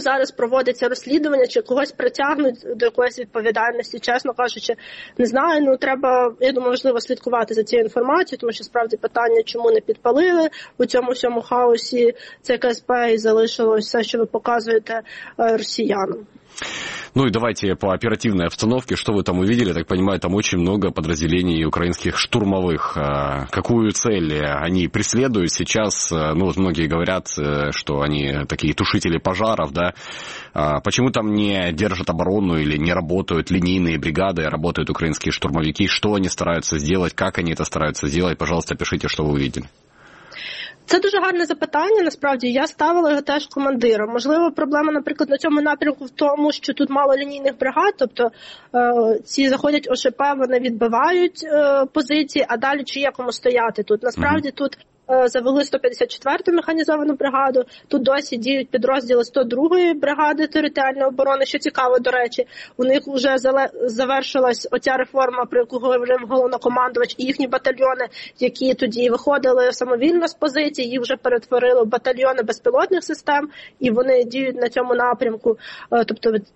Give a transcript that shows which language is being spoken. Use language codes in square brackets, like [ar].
[uk] Зараз проводиться розслідування, чи когось притягнуть до якоїсь відповідальності. Чесно кажучи, не знаю. Ну, треба, я думаю, важливо слідкувати за цією інформацією, тому що, справді, питання, чому не підпалили у цьому всьому хаосі, це КСП і залишилось все, що ви показуєте росіянам. [ru] Ну и давайте по оперативной обстановке, что вы там увидели, так понимаю, там очень много подразделений украинских штурмовых, какую цель они преследуют сейчас, ну вот многие говорят, что они такие тушители пожаров, да, почему там не держат оборону или не работают линейные бригады, а работают украинские штурмовики, что они стараются сделать, как они это стараются сделать, пожалуйста, пишите, что вы увидели. [uk] Це дуже гарне запитання, насправді. Я ставила його теж командиром. Можливо, проблема, наприклад, на цьому напрямку в тому, що тут мало лінійних бригад, тобто ці заходять ОШП, вони відбивають позиції, а далі чи є кому стояти тут. Насправді тут завели 154-ту механізовану бригаду, тут досі діють підрозділи 102-ї бригади територіальної оборони, що цікаво, до речі, у них вже завершилась оця реформа, про яку говорив головнокомандувач, і їхні батальйони, які тоді виходили самовільно з позиції, їх вже перетворили в батальйони безпілотних систем, і вони діють на цьому напрямку, тобто